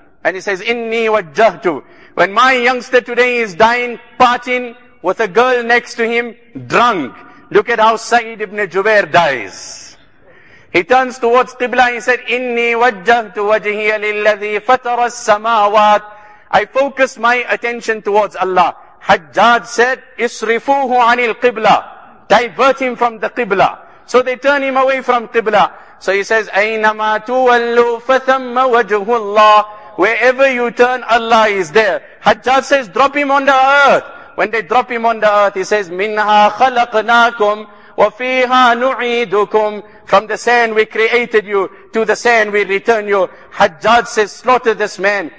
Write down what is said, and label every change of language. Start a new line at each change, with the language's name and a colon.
English: And he says,
Arabic: إِنِّي وَجَّهْتُ.
English: When my youngster today is dying, parting with a girl next to him, drunk. Look at how Sa'id ibn Jubair dies. He turns towards Qibla and he said,
Arabic: إِنِّي وَجَّهْتُ وَجْهِيَ لِلَّذِي فَتَرَ السَّمَاوَاتِ.
English: I focus my attention towards Allah.
Arabic: Hajjaj said, إِصْرِفُوهُ عَنِ الْقِبْلَى.
English: Divert him from the Qibla. So they turn him away from Qibla. So he says,
Arabic: أَيْنَمَا تُوَلُّوا فَثَمَّ وَجْهُ اللَّهِ.
English: Wherever you turn, Allah is there. Hajjaj says, drop him on the earth. When they drop him on the earth, he says,
Arabic: مِنْهَا خَلَقْنَاكُمْ وَفِيهَا نُعِيدُكُمْ.
English: From the sand we created you, to the sand we return you. Hajjaj says, slaughter this man.